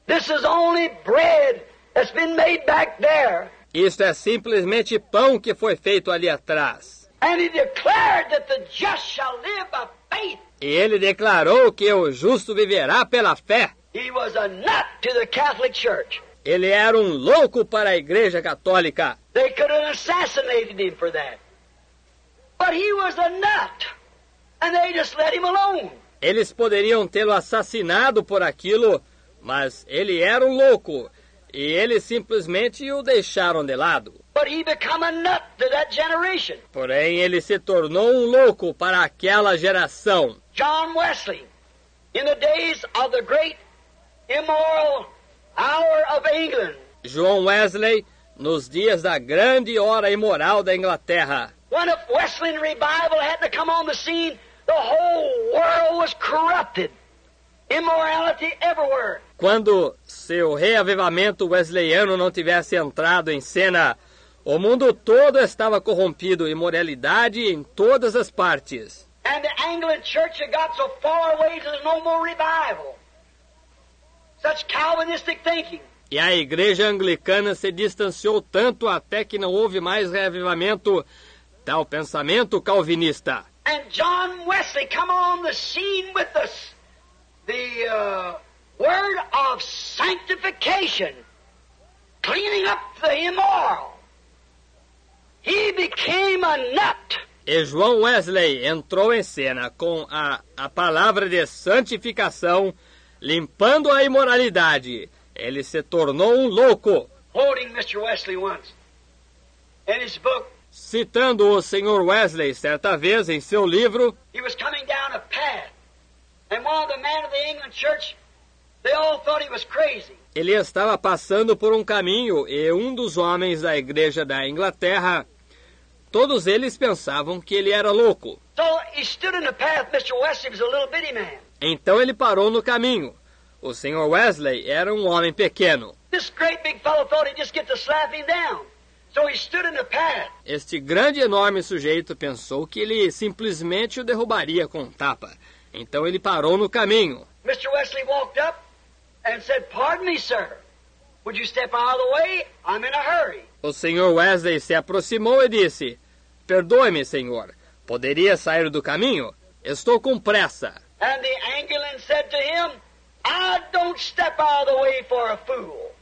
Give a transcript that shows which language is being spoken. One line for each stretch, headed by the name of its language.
English: This is only bread that's been made back there."
Portuguese: Isto é simplesmente pão que foi feito ali atrás.
English: And he declared that the just shall live by faith.
Portuguese: E ele declarou que o justo viverá pela fé.
English: He was a nut to the Catholic Church.
Portuguese: Ele era um louco para a Igreja Católica.
English: They could have assassinated him for that. But he was a nut. And they just let him alone.
Portuguese: Eles poderiam tê-lo assassinado por aquilo, mas ele era um louco, e eles simplesmente o deixaram de lado.
English: But he became a nut to that generation.
Portuguese: Porém, ele se tornou um louco para aquela geração.
English: John Wesley, in the days of the great immoral hour of England.
Portuguese: João Wesley, nos dias da grande hora imoral da Inglaterra.
English: When a Wesleyan revival had to come on the scene, the whole world was corrupted. Immorality everywhere.
Portuguese: Quando seu reavivamento wesleyano não tivesse entrado em cena, o mundo todo estava corrompido, imoralidade em todas as partes.
English: And the Anglican Church had got so far away there's no more revival. Such Calvinistic thinking.
Portuguese: E a Igreja Anglicana se distanciou tanto até que não houve mais reavivamento, tal pensamento calvinista.
English: And John Wesley come on the scene with the word of sanctification, cleaning up the immoral. He became a nut.
Portuguese: E João Wesley entrou em cena com a palavra de santificação, limpando a imoralidade. Ele se tornou um louco.
English: Quoting Mr. Wesley once in his book.
Portuguese: Citando o Sr. Wesley certa vez em seu livro,
English: he was coming down a path, and one of the men of the England Church, they all thought he was crazy.
Portuguese: Ele estava passando por um caminho e um dos homens da Igreja da Inglaterra, todos eles pensavam que ele era louco.
English: So he stood in the path. Mr. Wesley was a little bitty man.
Portuguese: Então ele parou no caminho. O Sr. Wesley era um homem pequeno.
English: This great big fellow thought he'd just get to slap him down. So he stood in the path.
Portuguese: Este grande enorme sujeito pensou que ele simplesmente o derrubaria com um tapa. Então ele parou no caminho.
English: Mr. Wesley walked up and said, "Pardon me, sir. Would you step out of the way? I'm in a hurry."
Portuguese: O Sr. Wesley se aproximou e disse: "Perdoe-me, senhor. Poderia sair do caminho? Estou com pressa."
English: And the Anglican said to him, "I don't step out of the way for a fool."